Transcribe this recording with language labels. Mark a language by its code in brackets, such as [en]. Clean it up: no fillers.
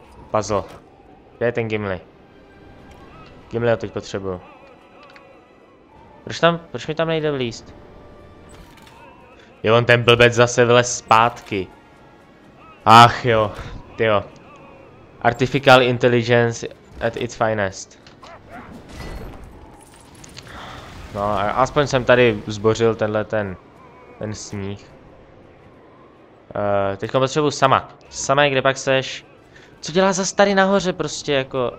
[cs] puzzle. Kde je ten Gimli? Gimli ho teď potřebuju. Proč mi tam nejde vlíst? Jo, on ten blbec zase vlez zpátky. Ach jo, tyjo. [en] Artificial intelligence at its finest. [cs] No, aspoň jsem tady zbořil tenhle ten sníh. Teď potřebuju sama. Sama, kde pak seš? Co dělá zase tady nahoře prostě jako?